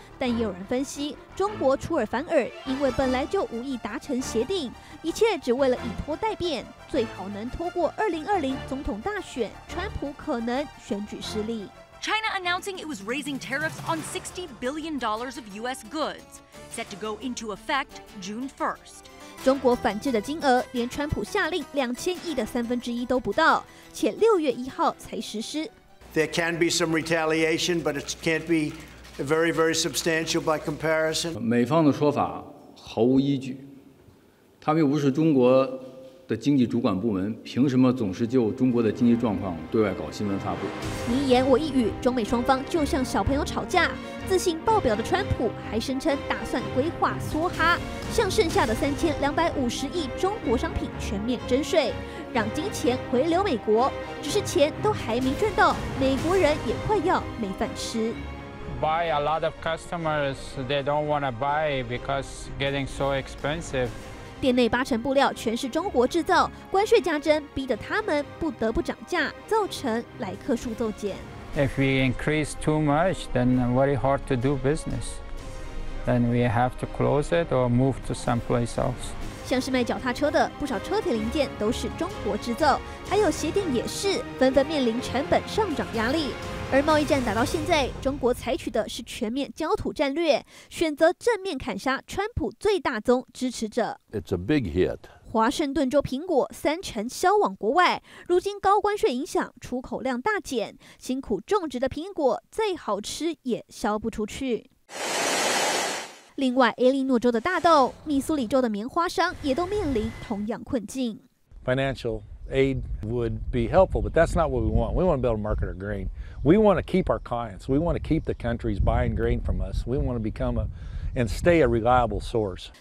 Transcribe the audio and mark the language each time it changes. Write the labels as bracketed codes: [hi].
[zh] 但也有人分析，中国出尔反尔，因为本来就无意达成协定，一切只为了以拖代变，最好能拖过2020总统大选，川普可能选举失利。 [en] China announcing it was raising tariffs on $60 billion of U.S. goods, set to go into effect June 1st. [zh] 中国反制的金额连川普下令2000亿的三分之一都不到，且6月1号才实施。 [en] There can be some retaliation, but it can't be very, very substantial by comparison. [zh] 美方的说法毫无依据，他们又不是中国的经济主管部门，凭什么总是就中国的经济状况对外搞新闻发布？你一言我一语，中美双方就像小朋友吵架。自信爆表的川普还声称打算规划梭哈，向剩下的3250亿中国商品全面征税，让金钱回流美国。只是钱都还没赚到，美国人也快要没饭吃。 [en] Buy a lot of customers, they don't want to buy because getting so expensive. [zh] 店内八成布料全是中国制造，关税加征逼得他们不得不涨价，造成来客数骤减。 [en] If we increase too much, then very hard to do business. Then we have to close it or move to someplace else. [zh] 像是卖脚踏车的，不少车体零件都是中国制造，还有鞋垫也是，纷纷面临成本上涨压力。而贸易战打到现在，中国采取的是全面焦土战略，选择正面砍杀川普最大宗支持者。 [en] It's a big hit. [zh] 华盛顿州苹果30%销往国外，如今高关税影响，出口量大减，辛苦种植的苹果再好吃也销不出去。另外，伊利诺州的大豆、密苏里州的棉花商也都面临同样困境。 [en] Financial aid would be helpful, but that's not what we want. We want to be able to market our grain. We want to keep our clients. We want to keep the countries buying grain from us. We want to become a and stay a reliable source.